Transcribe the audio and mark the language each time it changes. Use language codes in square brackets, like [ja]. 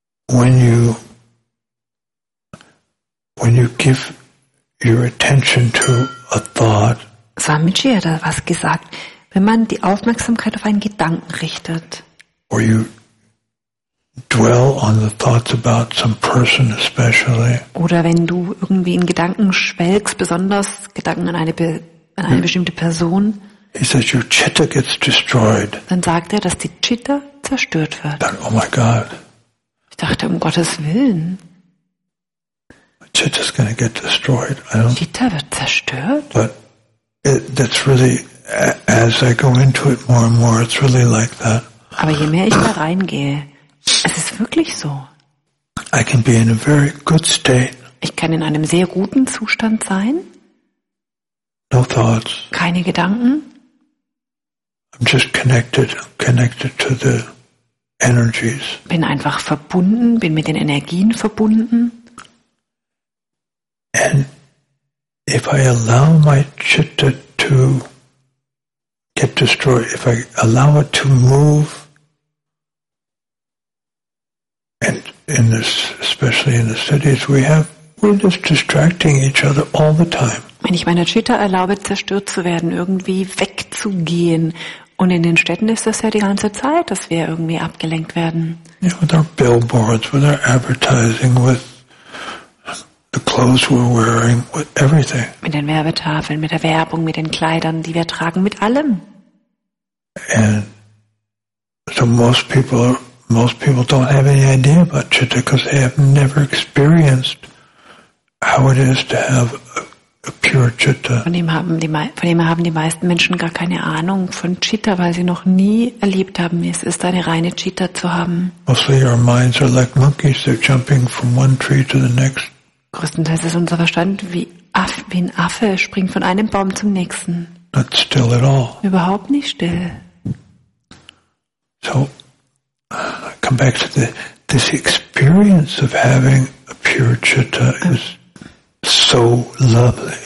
[en] When you give your attention to a thought. [de] Swamiji hat da was gesagt. Wenn man die Aufmerksamkeit auf einen Gedanken richtet, [en] or you dwell on the thoughts about some person especially, [de] oder wenn du irgendwie in Gedanken schwelgst, besonders Gedanken an eine bestimmte Person, [en] he says your citta gets destroyed. [de] Dann sagt er, dass die Citta zerstört wird. Dann, [en] oh my God. [de] Ich dachte, um Gottes Willen. [en] My citta's gonna get destroyed. [de] Citta wird zerstört. [en] But that's really, as I go into it more and more, it's really like that. [de] Aber je mehr ich da reingehe, es ist wirklich so. [en] I can be in a very good state. [de] Ich kann in einem sehr guten Zustand sein. [en] No thoughts. [de] Keine Gedanken. [en] I'm just connected to the energies. [de] Bin einfach verbunden, bin mit den Energien verbunden. [en] And if I allow my citta to get destroyed, if I allow it to move, and in this, especially in the cities, we're just distracting each other all the time. [de] Wenn ich meiner Citta erlaube, zerstört zu werden, irgendwie wegzugehen, und in den Städten ist das ja die ganze Zeit, dass wir irgendwie abgelenkt werden. [en] You know, with our billboards, with our advertising, with the clothes we're wearing, with everything. [de] Mit den Werbetafeln, mit der Werbung, mit den Kleidern, die wir tragen, mit allem. [en] And so most people don't have any idea about citta because they have never experienced how it is to have a pure citta. [de] Von ihm haben die meisten Menschen gar keine Ahnung von Citta, weil sie noch nie erlebt haben, wie es ist, eine reine Citta zu haben. [en] Mostly our minds are like monkeys, they're jumping from one tree to the next. [de] Größtenteils ist unser Verstand wie ein Affe, springt von einem Baum zum nächsten. [en] Not still at all. [de] Überhaupt nicht still. [en] So, I come back to this experience of having a pure citta is so lovely.